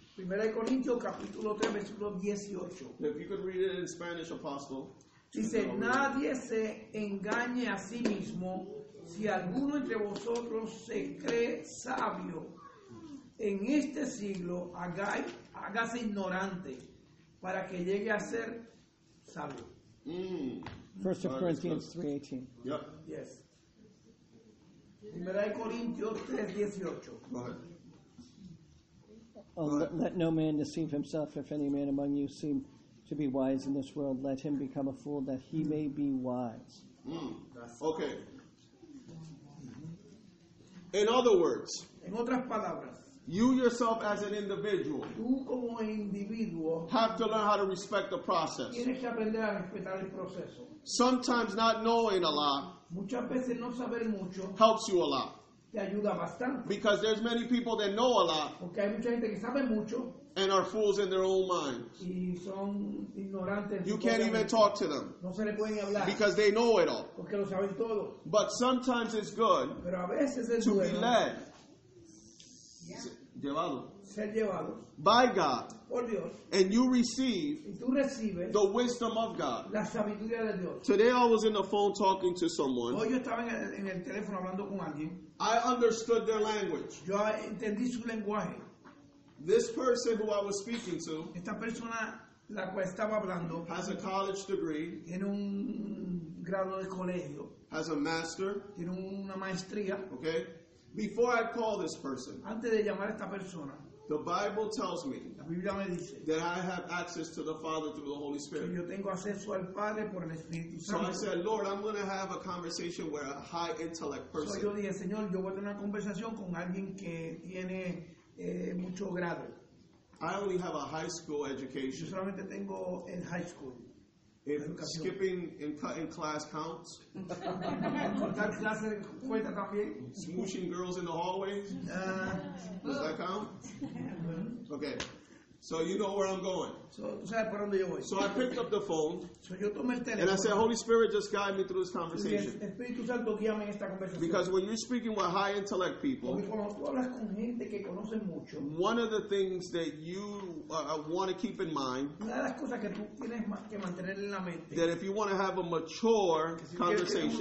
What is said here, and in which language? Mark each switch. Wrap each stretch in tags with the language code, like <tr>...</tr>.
<es>Primera de Corintios, capítulo 3, versículo 18.</es> <en>If you could read it in Spanish, Apostle.</en> <es>Dice, nadie se engañe a sí mismo. Si alguno entre vosotros se cree sabio en este siglo, hágase ignorante para que llegue a ser sabio. Mm.</es> <en>First of Corinthians 3:18. Yep.</en> <es>Yes. Primera de Corintios 3:18.</es> <en>Let no man deceive himself. If any man among you seem to be wise in this world, let him become a fool that he may be wise. Mm. Okay. In other words,</en> <es>en otras palabras,</es> <en>you yourself as an individual,</en> <es>tú como individuo,</es> <en>have to learn how to respect the process.</en> <es>Tienes que aprender a respetar el proceso.</es> <en>Sometimes not knowing a lot,</en> <es>muchas veces no saber mucho,</es> <en>helps you a lot.</en> <es>Te ayuda bastante.</es> <en>Because there's many people that know a lot,</en> <es>porque hay mucha gente que sabe mucho,</es> <en>and are fools in their own minds.</en> <es>Y son ignorantes,</es> <en>you can't even talk to them.</en> <es>No se le pueden hablar.</es> <en>Because they know it all.</en> <es>Porque lo saben todo.</es> <en>But sometimes it's good.</en> <es>Pero a veces es</es> <en>to</en> <es>bueno.</es> <en>Be led. Yeah.</en> <es>Llevado. Ser llevado.</es> <en>By God.</en> <es>Por Dios.</es> <en>And you receive.</en> <es>Y tú recibes.</es> <en>The wisdom of God.</en> <es>La sabiduría de Dios.</es> <en>Today I was in the phone talking to someone.</en> <es>Hoy yo estaba en el teléfono hablando con alguien.</es> <en>I understood their language.</en> <es>Yo entendí su lenguaje.</es> <en>This person who I was speaking to,</en> <es>esta persona, la cual estaba hablando,</es> <en>has a college degree,</en> <es>tiene un grado de colegio,</es> <en>has a master,</en> <es>tiene una maestría.</es> <en>Okay. Before I call this person,</en> <es>antes de llamar a esta persona,</es> <en>the Bible tells me,</en> <es>la Biblia me dice,</es> <en>that I have access to the Father through the Holy Spirit.</en> <es>Que yo tengo acceso al Padre por el Espíritu Santo.</es> <en>So I said, Lord, I'm going to have a conversation with a high intellect person.</en> <es>So yo dije, Señor, yo voy a tener una conversación con alguien que tiene mucho grado.</es> <en>I only have a high school education.</en> <es>Yo solamente tengo el high school.</es> <en>If skipping and cutting class counts,</en> <es>cortar clase cuenta también.</es> <en>Smooshing girls in the hallways, does that count? Okay. So you know where I'm going. So I picked up the phone.</en> <es>So yo tomé el teléfono,</es> <en>and I said, Holy Spirit, just guide me through this conversation.</en> <es>Espíritu Santo, guíame esta conversación.</es> <en>Because when you're speaking with high intellect people,</en> <es>porque cuando tú hablas con gente que conoce mucho,</es> <en>one of the things that you want to keep in mind,</en> <es>una de las cosas que tú tienes que mantener en la mente,</es> <en>that if you want to have a mature conversation,</en>